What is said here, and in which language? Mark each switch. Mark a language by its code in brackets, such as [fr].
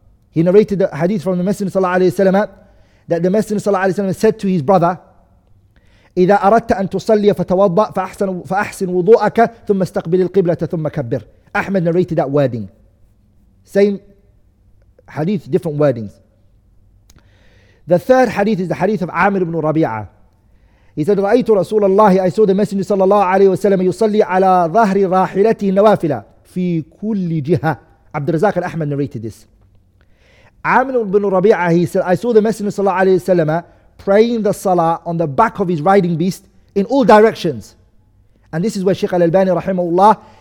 [en] He narrated the hadith from the Messenger sallallahu alayhi wa sallam that the Messenger sallallahu alayhi wa sallam said to his brother, [ar] إذا أردت أن تصلي فتوضأ فأحسن وضوءك ثم استقبل القبلة ثم كبر. [en] Ahmed narrated that wording. Same hadith, different wordings. The third hadith is the hadith of Amir ibn Rabi'ah. He said, [ar] رأيت رسول الله, [en] I saw the Messenger [ar] صلى الله عليه وسلم يصلي على ظهر راحلته النوافلة في كل جهة. [en] عبد الرزاق Ahmed narrated this. Amir ibn Rabi'ah, he said, I saw the Messenger صلى الله عليه وسلم praying the salah on the back of his riding beast in all directions. And this is where Shaykh Al Albani, rahimahullah,